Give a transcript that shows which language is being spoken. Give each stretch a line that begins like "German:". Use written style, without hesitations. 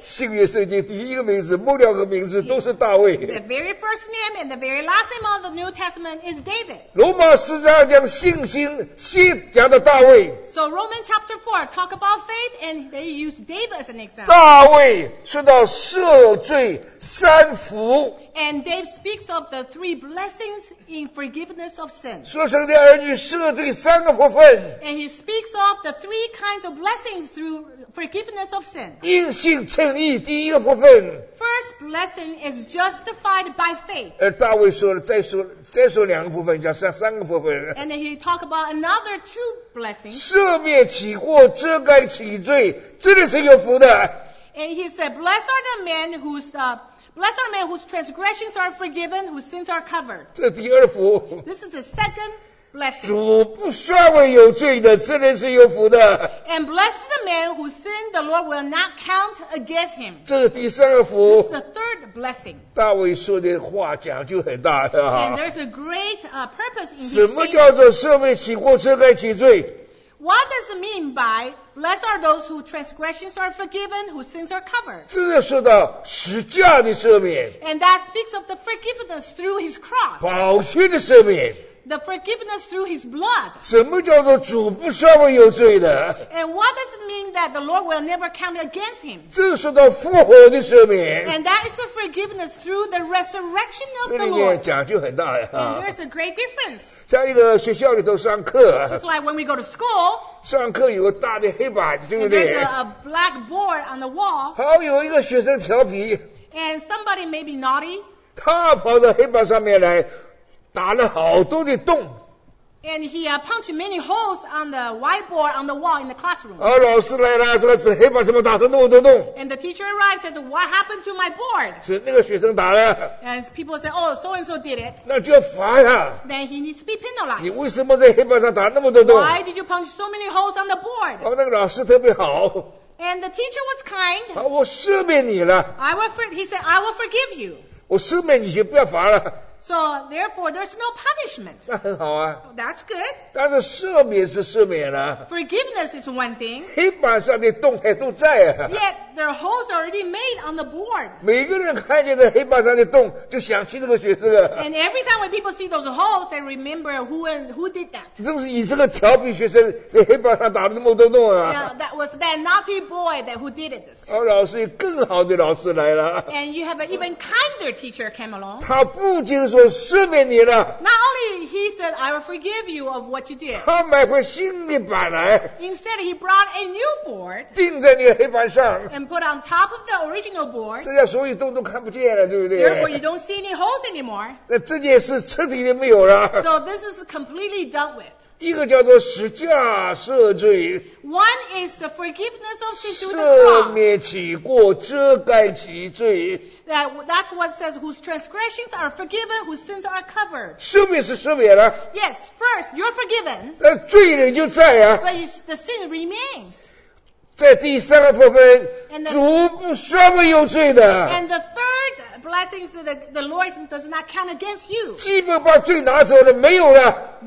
Chinese: 新约圣经第一个名字，末了个名字都是大卫。
English: The very first name and the very last name of the New Testament is David.
Chinese: 罗马四章讲信心，先讲的大卫。
English: So Romans chapter 4 talk about faith and they use David as an example.
Chinese: 大卫受到赦罪三福。
English: And Dave speaks of the three blessings in forgiveness of sin.
Chinese: 说神的儿女赦罪三个福分。
English: And he speaks of the three kinds of blessings through forgiveness of sin.
Chinese: 因信称义第一个福分。
English: First blessing is justified by faith.
Chinese: 而大卫说了再说两个福分，叫三个福分。
English: And then he talk about another two blessings.
Chinese: 赦免起过，遮盖起罪，这里是有福的。
English: And he said, "Blessed are the men Blessed are men whose transgressions are forgiven, whose sins are covered."
Chinese: 这第二福。
English: This is the second blessing.
Chinese: 主不算为有罪的，这人是有福的。
English: And blessed are the man whose sin the Lord will not count against him.
Chinese: 这第三个福。
English: This is the third blessing.
Chinese: 大卫说的话讲就很大了。
English: And there's a great purpose in his statement.
Chinese: 什么叫做赦免起过，遮盖起罪？
English: What does it mean by Blessed are those whose transgressions are forgiven, whose sins are covered.
Chinese: 这是说到十架的赦免。
English: And that speaks of the forgiveness through his cross.
Chinese: 宝血的赦免。
English: the forgiveness through his blood.
Chinese: 什么叫做主不算我有罪的？
English: And what does it mean that the Lord will never count against him?
Chinese: 这是到复活的赦免。
English: And that is the forgiveness through the resurrection of the Lord.
Chinese: 这里面讲究很大呀。
English: And there's a great difference.
Chinese: 在一个学校里头上课。
English: Just like when we go to school.
Chinese: 上课有个大的黑板，对不对？
English: And there's a blackboard on the wall.
Chinese: 好，有一个学生调皮。
English: And somebody may be naughty.
Chinese: 他跑到黑板上面来打了好多的洞。
English: And he punched many holes on the whiteboard on the wall in the classroom.
Chinese: 啊，老师来了，说这黑板怎么打成那么多洞。
English: And the teacher arrived and said, what happened to my board?
Chinese: 是那个学生打的。
English: And people said, oh, so-and-so did it.
Chinese: 那就要罚他。
English: Then he needs to be penalized.
Chinese: 你为什么在黑板上打那么多洞？
English: Why did you punch so many holes on the board?
Chinese: 哦，那个老师特别好。
English: And the teacher was kind.
Chinese: 啊，我赦免你了。
English: He said, I will forgive you.
Chinese: 我赦免你就不要罚了。
English: So therefore, there's no punishment.
Chinese: 那很好啊。
English: That's good.
Chinese: 但是赦免是赦免了。
English: Forgiveness is one thing.
Chinese: 黑板上的洞还都在啊。
English: Yet there are holes already made on the board.
Chinese: 每个人看见这黑板上的洞，就想起这个学生啊。
English: And every time when people see those holes, they remember who did that.
Chinese: 这是以这个调皮学生在黑板上打了那么多洞啊。
English: Yeah, that was that naughty boy that who did it.
Chinese: 哦，老师有更好的老师来了。
English: And you have an even kinder teacher came along.
Chinese: 他不仅说赦免你了。
English: Not only he said I will forgive you of what you did.
Chinese: 他买回新的板来。
English: Instead he brought a new board.
Chinese: 钉在那个黑板上。
English: And put on top of the original board.
Chinese: 这样所有洞都看不见了，对不对
English: ？Therefore you don't see any holes anymore.
Chinese: 那这件事彻底的没有了。
English: So this is completely done with.
Chinese: 一个叫做十架赦罪。
English: One is the forgiveness of sin through the cross.
Chinese: 赦免其过，遮盖其罪。
English: That's what it says, whose transgressions are forgiven, whose sins are covered.
Chinese: 赦免是赦免了。
English: Yes, first, you're forgiven.
Chinese: 那罪仍旧在啊。
English: But the sin remains.
Chinese: 在第三个部分，主不算我有罪的。
English: And the third blessing is that the Lord does not count against you.
Chinese: 基本把罪拿走了，没有了。